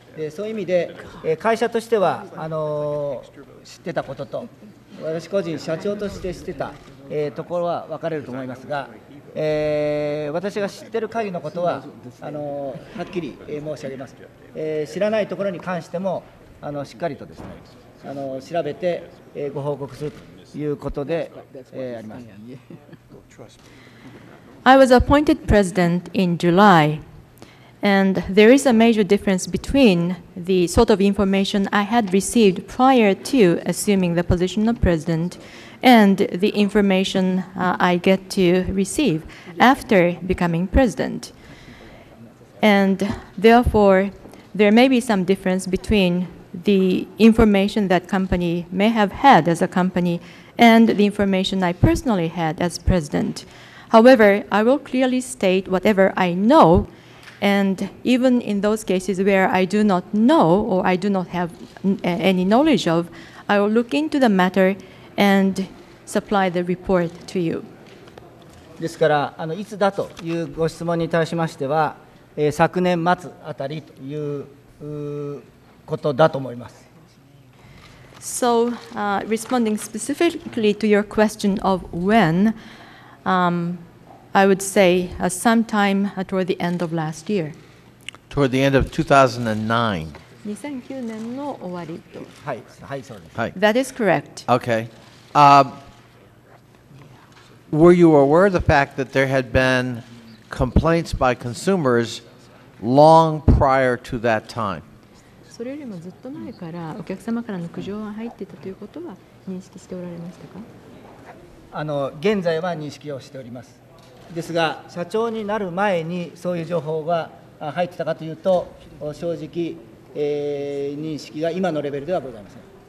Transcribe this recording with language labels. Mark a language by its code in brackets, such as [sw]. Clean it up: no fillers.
[ja] そういう意味で会社としては知ってたことと私個人社長として知ってたところは分かれると思いますが、私が知ってる限りのことは、はっきり申し上げます。知らないところに関しても、しっかりとですね、調べてご報告するということで、あります。 [en] I was appointed president in July, and there is a major difference between the sort of information I had received prior to assuming the position of president and the information I get to receive after becoming president. And therefore, there may be some difference between the information that company may have had as a company and the information I personally had as president. However, I will clearly state whatever I know, and even in those cases where I do not know or I do not have any knowledge of, I will look into the matter and supply the report to you. [ja] ですから、いつだというご質問に対しましては、昨年末あたりということだと思います。 [en] So, responding specifically to your question of when, I would say sometime toward the end of last year. Toward the end of 2009. [ja] 2009年の終わりと。はい、はい、そうです。はい。 [en] That is correct. Okay. Were you aware of the fact that there had been complaints by consumers long prior to that time? [ja] それよりもずっと前からお客様からの苦情が入ってたということは認識しておられましたか？現在は認識をしております。ですが、社長になる前にそういう情報が入ってたかというと、正直、認識が今のレベルではございません。